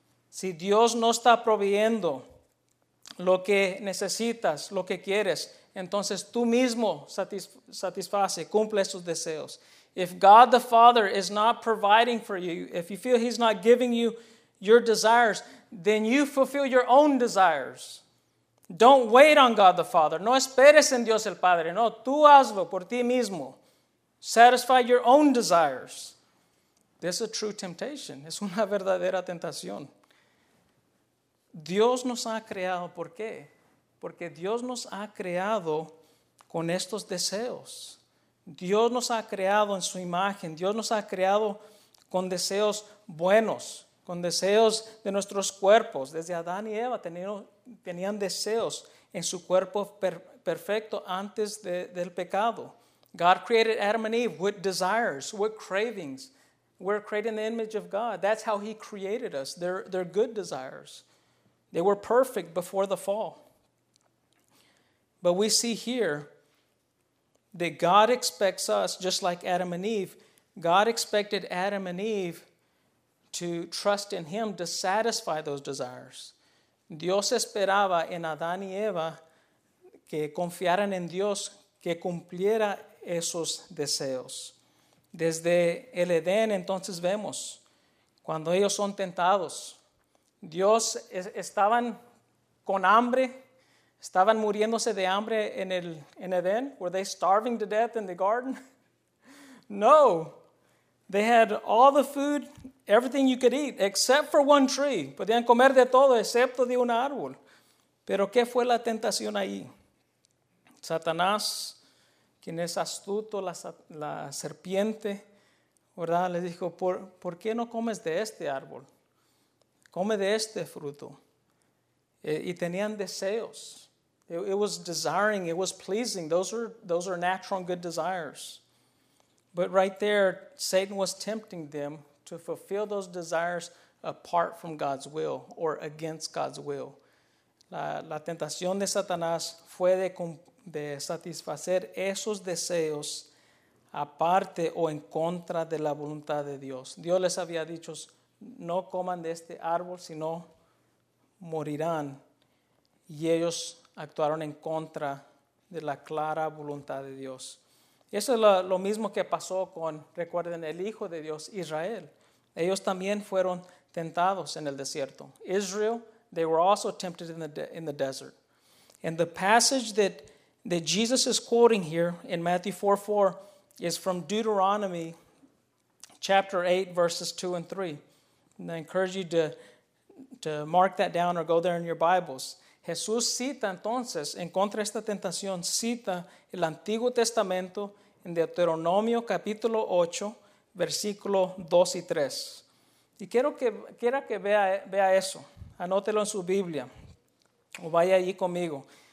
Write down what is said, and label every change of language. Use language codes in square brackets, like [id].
[es] Si Dios no está proveyendo lo que necesitas, lo que quieres, entonces tú mismo satisface, cumple esos deseos. [en] If God the Father is not providing for you, if you feel he's not giving you your desires, then you fulfill your own desires. Don't wait on God the Father. [es] No esperes en Dios el Padre. No, tú hazlo por ti mismo. [en] Satisfy your own desires. This is a true temptation. [es] Es una verdadera tentación. Dios nos ha creado. ¿Por qué? Porque Dios nos ha creado con estos deseos. Dios nos ha creado en su imagen. Dios nos ha creado con deseos buenos, con deseos de nuestros cuerpos. Desde Adán y Eva tenían deseos en su cuerpo perfecto antes del pecado. [en] God created Adam and Eve with desires, with cravings. We're created in the image of God. That's how he created us. They're good desires. They were perfect before the fall. But we see here that God expects us, just like Adam and Eve, God expected Adam and Eve to trust in him to satisfy those desires. [es] Dios esperaba en Adán y Eva que confiaran en Dios que cumpliera esos deseos. Desde el Edén, entonces vemos cuando ellos son tentados. Dios, estaban con hambre, estaban muriéndose de hambre en Edén. [en] Were they starving to death in the garden? No. They had all the food, everything you could eat, except for one tree. [es] Podían comer de todo, excepto de un árbol. Pero ¿qué fue la tentación ahí? Satanás, quien es astuto, la serpiente, ¿verdad? Les dijo, ¿por qué no comes de este árbol? Come de este fruto. Y tenían deseos. [en] It was desiring, it was pleasing. Those are natural and good desires. But right there, Satan was tempting them to fulfill those desires apart from God's will or against God's will. [es] La tentación de Satanás fue de satisfacer esos deseos aparte o en contra de la voluntad de Dios. Dios les había dicho, no coman de este árbol, sino morirán. Y ellos actuaron en contra de la clara voluntad de Dios. Eso es lo mismo que pasó con, recuerden, el Hijo de Dios, Israel. Ellos también fueron tentados en el desierto. [en] Israel, they were also tempted in the desert. And the passage that Jesus is quoting here in Matthew 4:4 is from Deuteronomy chapter 8, verses 2 and 3. And I encourage you to mark that down or go there in your Bibles. [es] Jesús cita entonces, en contra de esta tentación, cita el Antiguo Testamento en Deuteronomio capítulo 8, versículo 2 y 3. Y quiero que vea eso. Anótelo en su Biblia o vaya allí conmigo.